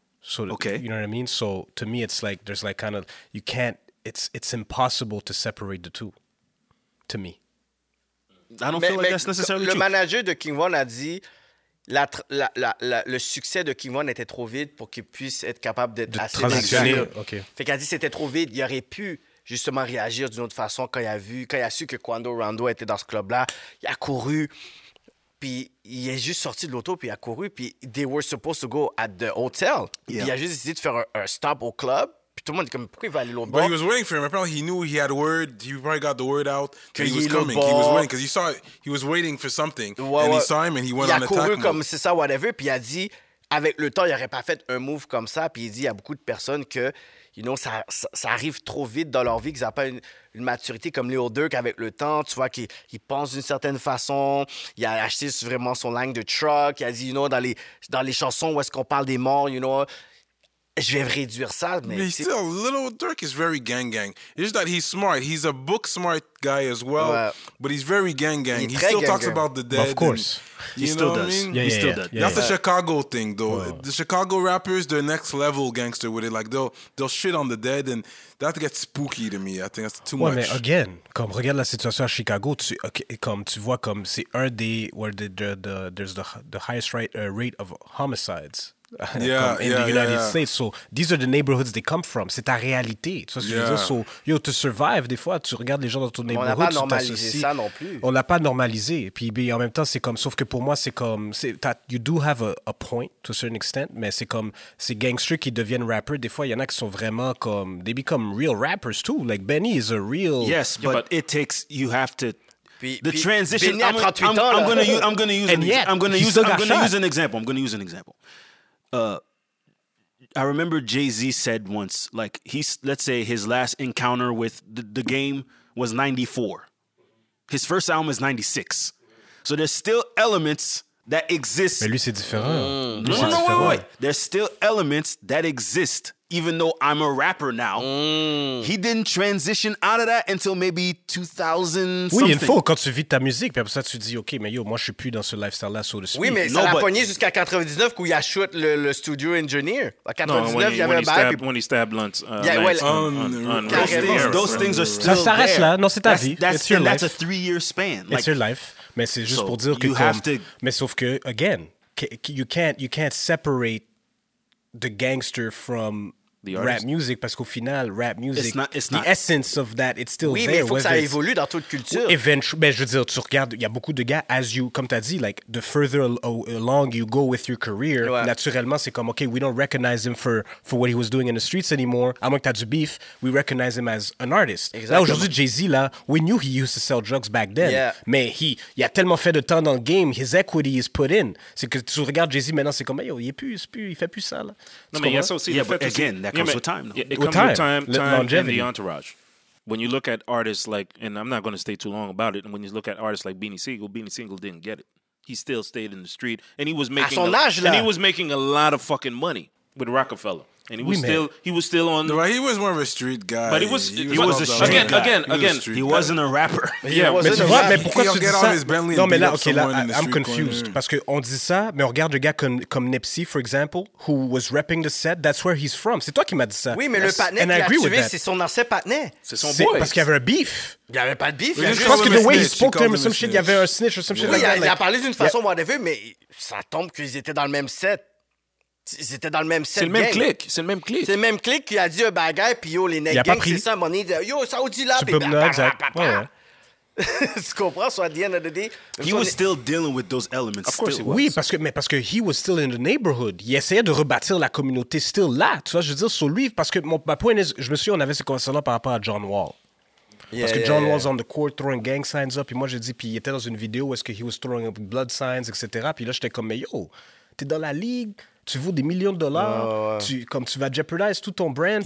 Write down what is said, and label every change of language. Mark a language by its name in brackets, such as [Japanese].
[English] So, you know what I mean? So to me, it's like there's like kind of, you can't, it's impossible to separate the two, to me. I don't feel like that's necessarily true. [French] Le manager de King One a dit, le succès de King One était trop vite pour qu'il puisse être capable d'être assez transitionner. Fait qu'il a dit c'était trop vite, il aurait pu justement réagir d'une autre façon quand il a vu, quand il a su que Quando Rondo était dans ce club-là. Il a couru, puis il est juste sorti de l'auto, puis il a couru, puis [English] they were supposed to go at the hotel. Yeah. [French] Il a juste décidé de faire un stop au club, puis tout le monde est comme, pourquoi il va aller l'autre bord? [English] But he was waiting for him. Apparently, he knew he had word. He probably got the word out that he was coming. He was waiting, because he was waiting for something. And he saw him, and he went on attack mode. [French] Il a couru comme, c'est ça, whatever, puis il a dit, avec le temps, il n'aurait pas fait un move comme ça, puis il dit, il y a beaucoup de personnes que... You know, ça arrive trop vite dans leur vie qu'ils n'ont pas une maturité comme Léo Dirk avec le temps. Tu vois qu'il pense d'une certaine façon. Il a acheté vraiment son langue de truck. Il a dit, you know, dans les chansons où est-ce qu'on parle des morts, you know, je vais réduire ça. Mais [English] still, Léo Dirk is very gang-gang. It's just that he's smart. He's a book-smart guy as well. Ouais. But he's very gang-gang. He still gang-gang. Talks about the dead. Of course. And, you he still does. I mean? Yeah, he still does. That's a Chicago thing, though. Whoa. The Chicago rappers, they're next-level gangster with it. Like, they'll shit on the dead, and that gets spooky to me. I think that's too much. [French] Mais again, comme regarde la situation à Chicago, tu vois, c'est un des [English] where there's the highest rate of homicides. In the United States. So these are the neighborhoods they come from. [French] C'est ta réalité. [English] To survive, [French] des fois, tu regardes les gens dans ton neighborhood. On n'a pas normalisé ça non plus. On l'a pas normalisé. Puis mais en même temps, c'est comme. Sauf que pour moi, c'est comme. [English] You do have a point to a certain extent, [French] mais c'est comme ces gangsters qui deviennent rappers. Des fois, il y en a qui sont vraiment comme. [English] They become real rappers too. Like Benny is a real. Yes, but it takes. You have to. transition. I'm gonna use an example. I remember Jay-Z said once, like, he's, let's say his last encounter with the game was 94. His first album is 96. So there's still elements that exist. [French] Mais lui, c'est différent. [English] No, wait. There's still elements that exist, even though I'm a rapper now. He didn't transition out of that until maybe 2000 something. [French] Oui, il faut, quand tu vis ta musique, puis après ça, tu dis, OK, mais yo, moi, je suis plus dans ce lifestyle-là, [English] so to speak. [French] Oui, mais no, ça l'a pogné jusqu'à 99, où il a shoot le studio engineer. À 99, il y avait un bail. [English] When he stabbed Lunt. Yeah, well, those things are still there. [French] Ça reste là. Non, c'est ta vie. [English] That's a three-year span. It's your life. [French] Mais c'est juste pour dire que... [English] Mais sauf que, again, you can't separate the gangster from the rap music, [French] parce qu'au final, [English] rap music, essence of that, it's still [French] oui, [English] there. [French] Oui, mais il faut que ça évolue dans toute culture. Mais je veux dire, tu regardes, il y a beaucoup de gars, as you, comme tu as dit, [English] like, the further along you go with your career, [French] ouais. Naturellement, c'est comme, OK, [English] we don't recognize him for what he was doing in the streets anymore. [French] À moins que tu as du beef, [English] we recognize him as an artist. Exactement. Là, aujourd'hui, Jay-Z, là, we knew he used to sell drugs back then. Yeah. [French] Mais il a tellement fait de temps dans le game, [English] his equity is put in. [French] C'est que tu regardes Jay-Z maintenant, c'est comme, yo, il fait plus ça, là. Non, mais il y a ça aussi. [English] Yeah, but again, It comes with time and the entourage. When you look at artists like, and I'm not going to stay too long about it, and when you look at artists like Beanie Siegel didn't get it. He still stayed in the street, and he was making a lot of fucking money with Rockefeller, and he was still on. Right, he was more of a street guy. But he was a street guy again. He wasn't a rapper. [French] Yeah, mais pourquoi tu dis ça? Non, mais là, okay, là, I'm confused. Parce que on dit ça, mais on regarde le gars comme Nipsey, [English] for example, who was rapping the set. That's where he's from. [French] C'est toi qui m'as dit ça. Oui, mais le partner qui a tué, c'est son ancien partner. C'est son boy. Parce qu'il y avait un beef. Il n'y avait pas de beef. Je pense que [English] the way he spoke to him, some shit, [French] il y avait un snitch [English] or some shit. [French] Oui, il a parlé d'une façon whatever, mais ça tombe qu'ils étaient dans le même set. Ils étaient dans le même set. C'est le même clic. C'est le même clic. C'est le même clic qui a dit un bagage, puis yo, les nègres, c'est ça, money. Yo, Saudi là, puis blablabla. Bla, bla, bla, bla. Ouais. Tu comprends, soit [English] the end of the day. He was still dealing with those elements. Of course he was. [French] Oui, parce que [English] he was still in the neighborhood. [French] Il essayait de rebâtir la communauté still là. Tu vois, je veux dire, sur lui, parce que ma point est, je me souviens, on avait ces conversations-là par rapport à John Wall. Parce que John Wall's on the court throwing gang signs up, puis moi, j'ai dit, puis il était dans une vidéo où est-ce que [English] he was throwing up blood signs, [French] etc. Puis là, j'étais comme, mais yo, t'es dans la ligue. Tu vaux des millions de dollars, comme tu vas jeopardize tout ton brand.